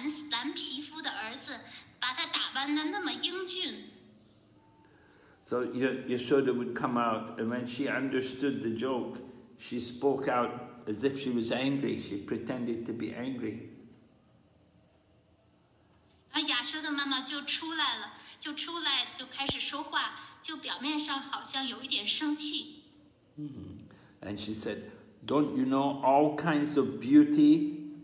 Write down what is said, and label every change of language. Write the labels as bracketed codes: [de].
[zh] 蓝皮肤的儿子把他打扮得那么英俊。 [en] So Yashoda would come out, and when she understood the joke, she spoke out as if she was angry. She pretended to be angry. [zh] 而亚修的妈妈就出来了，就出来就开始说话，就表面上好像有一点生气。 [en] And she said, "Don't you know all kinds of beauty?